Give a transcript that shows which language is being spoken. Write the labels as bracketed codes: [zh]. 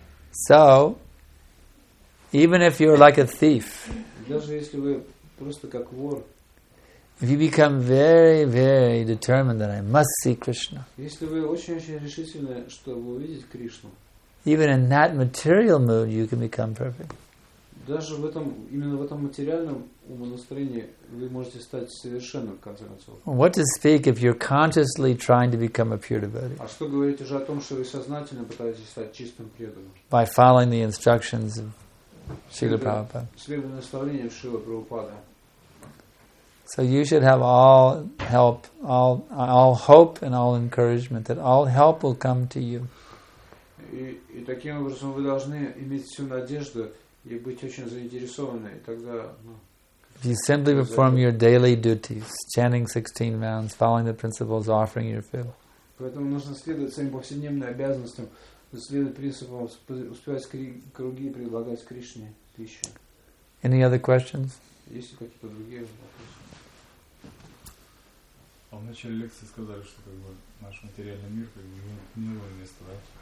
[en] So, even if you're like a thief, if you become very, very determined that I must see Krishna, even in that material mood, you can become perfect. [ru] Даже в этом, именно в этом материальном умонастроении вы можете стать совершенно, в конце концов. [en] What to speak if you're consciously trying to become a pure devotee? [ru] А что говорить уже о том, что вы сознательно пытаетесь стать чистым преданным? [en] By following the instructions of Śrīla Prabhupāda. [ru] Следуя наставлениям Śrīla Prabhupāda. [en] So you should have all help, all hope and all encouragement, that all help will come to you. [ru] И таким образом вы должны иметь всю надежду, и быть очень заинтересованы, и тогда, ну, [en] if you simply perform your daily duties, chanting 16 rounds, following the principles, offering your fill. [ru] Поэтому нужно следовать своим повседневным обязанностям, следовать принципам, успевать круги и предлагать Кришне пищу. [en] Any other questions? [ru] Есть ли какие-то другие вопросы? А в начале лекции сказали, что как бы наш материальный мир как бы не новое место, да?